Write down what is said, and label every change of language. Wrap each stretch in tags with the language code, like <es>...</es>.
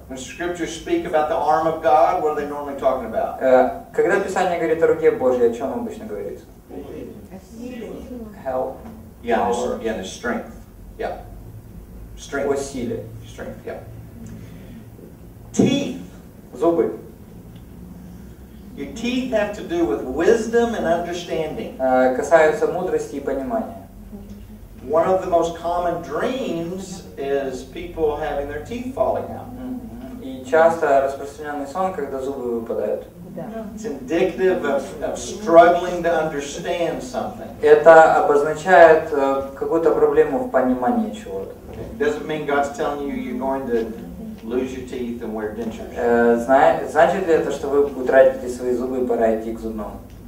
<en>When scriptures speak about the arm of God, what are they normally talking about?</en> <ru>Когда Писание говорит о руке Божьей, о чем обычно говорится?</ru> <en>Help. Yeah, the strength. Yeah. Strength.</en> <ru>О силе.</ru> <en>Strength, yeah. Teeth.</en> <ru>Зубы.</ru> <en>Your teeth have to do with wisdom and understanding.</en> <ru>Касаются мудрости и понимания.</ru> <en>One of the most common dreams is people having their teeth falling out. Mm-hmm.</en> <ru>И часто распространенный сон, когда зубы выпадают.</ru> <en>It's indicative of struggling to understand something.</en> <ru>Это обозначает какую-то проблему в понимании чего-то.</ru> <en>Doesn't mean God's telling you you're going to lose your teeth and wear dentures.</en> <ru>Значит ли это, что вы утратите свои зубы и пора идти к зубному?</ru>